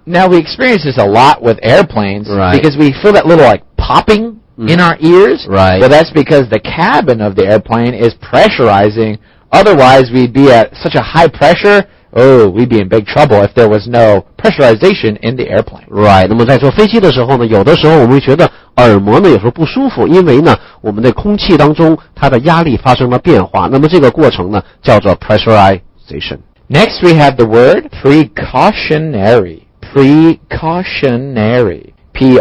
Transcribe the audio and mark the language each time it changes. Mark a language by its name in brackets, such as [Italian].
[English] Now we experience this a lot with airplanes, right? Because we feel that little like popping in our ears, right? But that's because the cabin of the airplane is pressurizing. Otherwise, we'd be at such a high pressure. Oh, we'd be in big trouble if there was no pressurization in the airplane. [Chinese] Right. 那么在坐飞机的时候呢，有的时候我们会觉得耳膜呢有时候不舒服，因为呢我们的空气当中它的压力发生了变化。那么这个过程呢叫做 pressurization. [English] Next, we have the word precautionary. Precautionary. P